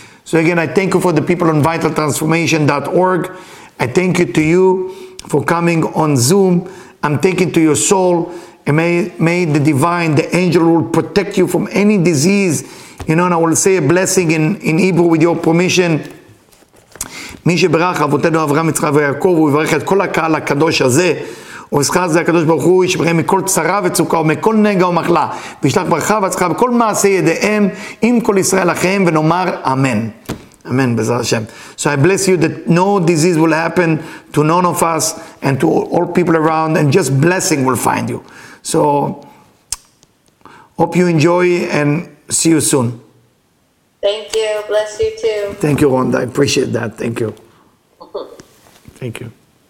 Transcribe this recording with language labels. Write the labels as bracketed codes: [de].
[en] So again, I thank you for the people on vitaltransformation.org. I thank you to you for coming on Zoom. I'm taking to your soul. And may the divine, the angel will protect you from any disease. You know, and I will say a blessing in Hebrew with your permission. [he] מי שברך אבותינו אברהם יצחק ויעקב, הוא יברך את כל הקהל הקדוש הזה. ובשכה זה הקדוש ברוך הוא ישברך מכל צרה וצוקה ומכל נגע ומחלה. וישלח ברכה והצלחה בכל מעשה ידיהם עם כל ישראל אחיהם ונאמר אמן. אמן בעזרת השם. [en] So I bless you that no disease will happen to none of us and to all people around and just blessing will find you. So hope you enjoy and see you soon. Thank you. Bless you too. Thank you, Rhonda. I appreciate that. Thank you. Thank you.